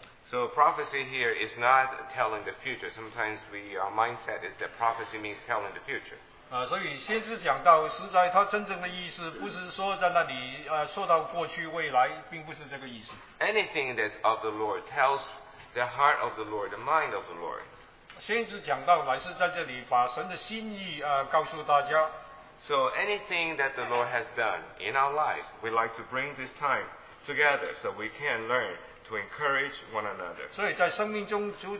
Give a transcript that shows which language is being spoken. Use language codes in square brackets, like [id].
[en] So prophecy here is not telling the future. Sometimes our mindset is that prophecy means telling the future. [zh] 所以先知讲道，实在它真正的意思不是说在那里说到过去未来，并不是这个意思。 [en] Anything that's of the Lord tells the heart of the Lord, the mind of the Lord. [zh] 先知讲道乃是在这里把神的心意告诉大家。 [en] So anything that the Lord has done in our life, we like to bring this time together so we can learn to encourage one another.